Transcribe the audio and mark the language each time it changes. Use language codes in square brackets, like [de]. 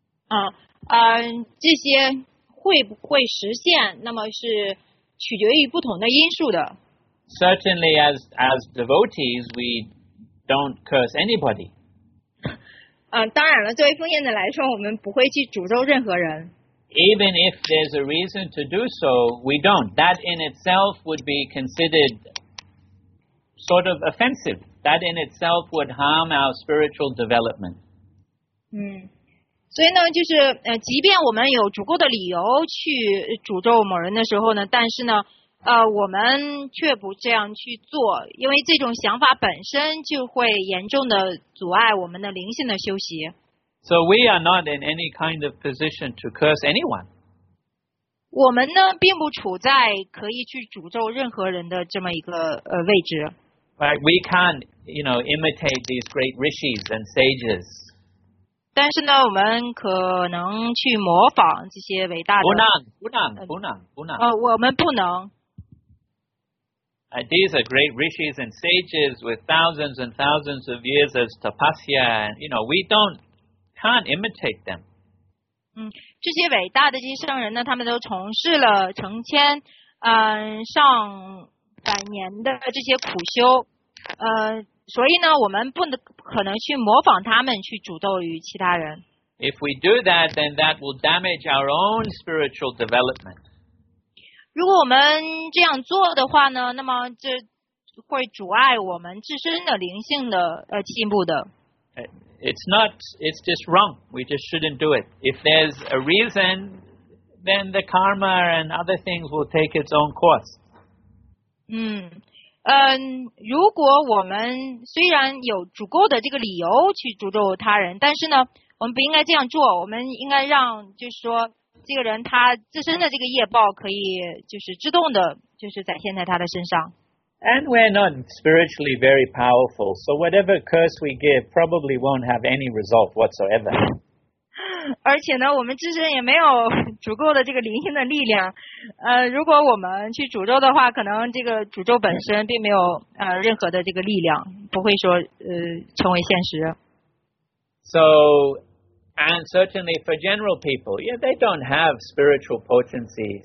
[zh] 这些会不会实现，那么是取决于不同的因素的。 [en] Certainly, as devotees, we don't curse anybody. [zh] 当然了，作为奉献者来说，我们不会去诅咒任何人。 [en] Even if there's a reason to do so, we don't. That in itself would be considered sort of offensive. That in itself would harm our spiritual development. [zh] 所以呢，就是即便我们有足够的理由去诅咒某人的时候呢，但是呢。我们却不这样去做，因为这种想法本身就会严重的阻碍我们的灵性的修习。 [en] So we are not in any kind of position to curse anyone. [zh] 我们呢，并不处在可以去诅咒任何人的这么一个位置。 [en] Right, we can't, you know, imitate these great rishis and sages. [zh] 但是呢，我们可能去模仿这些伟大的。不能，不能，不能，不能。我们不能。 [en] these are great rishis and sages with thousands and thousands of years as tapasya, and you know, we can't imitate them. [zh] 这些伟大的这些圣人呢，他们都从事了成千上百年的这些苦修，所以呢，我们不能可能去模仿他们去诅咒于其他人。 [en] If we do that, then that will damage our own spiritual development. [zh] 如果我们这样做的话呢，那么这会阻碍我们自身的灵性的进步的。 [en] It's just wrong. We just shouldn't do it. If there's a reason, then the karma and other things will take its own course. [zh] 如果我们虽然有足够的这个理由去诅咒他人，但是呢，我们不应该这样做。我们应该让，就是说，这个人他自身的这个业报可以就是自动的，就是展现在他的身上。 [en] And we're not spiritually very powerful, so whatever curse we give probably won't have any result whatsoever. [zh] 而且呢，我们自身也没有足够的这个灵性的力量。如果我们去诅咒的话，可能这个诅咒本身并没有任何的这个力量，不会说成为现实。 [en] So, and certainly for general people, yeah, they don't have spiritual potency.